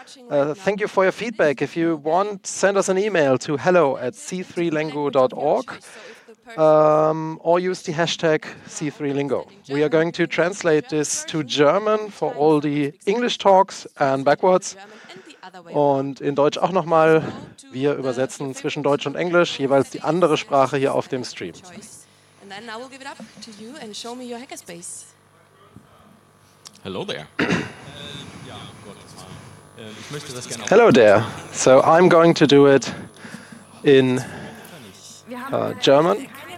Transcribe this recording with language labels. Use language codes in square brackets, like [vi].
[en] Thank you for your feedback. If you want, send us an email to hello@c3lingo.org. Or use the hashtag C3Lingo. We are going to translate this to German for all the English talks and backwards. [de] Und in Deutsch auch nochmal. Wir übersetzen zwischen Deutsch und Englisch jeweils die andere Sprache hier auf dem Stream. [en] And then I will give it up to you and show me your hackerspace. Hello there. Hello there. So I'm going to do it in German.